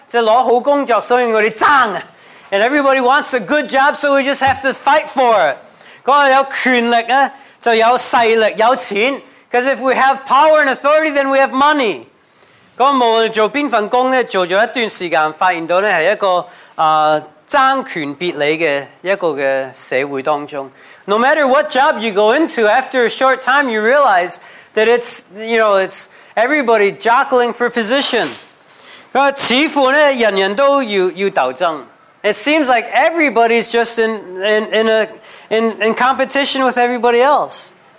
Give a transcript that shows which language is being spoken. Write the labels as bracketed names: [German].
[Chinese] 我们人人都希望拿好工作，所以我们争. [English] And everybody wants a good job, so we just have to fight for it. [Chinese] 那有权力就有势力有钱. [English] Because if we have power and authority, then we have money. [Chinese] 无论做哪份工作，做了一段时间，发现到是一个争权别理的一个社会当中. [English] No matter what job you go into, after a short time, you realize that it's, you know, it's everybody jockeying for position. [Chinese] 似乎人人都要斗争. [English] It seems like everybody's just in competition with everybody else.